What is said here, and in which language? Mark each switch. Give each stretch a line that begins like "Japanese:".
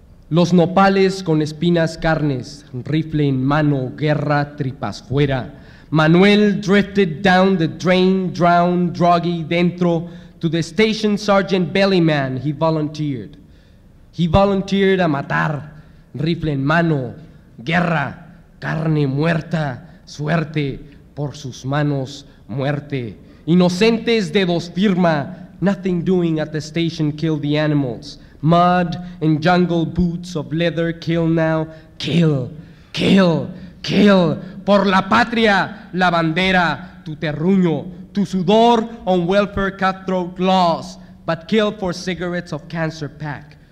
Spanish: Los nopales con espinas carnes, rifle en mano, guerra, tripas fuera.
English: Manuel drifted down the drain, drowned, druggy dentro to the station sergeant bellyman, he volunteered. He volunteered
Spanish: a matar, rifle en mano, guerra, carne muerta, suerte, por sus manos, muerte. Inocentes dedos firma,
English: nothing doing at the station killed the animals. Mud and jungle boots of leather kill now, kill, kill, kill.
Spanish: Por la patria, la bandera, tu terruño, tu sudor
English: on welfare cutthroat laws, but kill for cigarettes of cancer pack.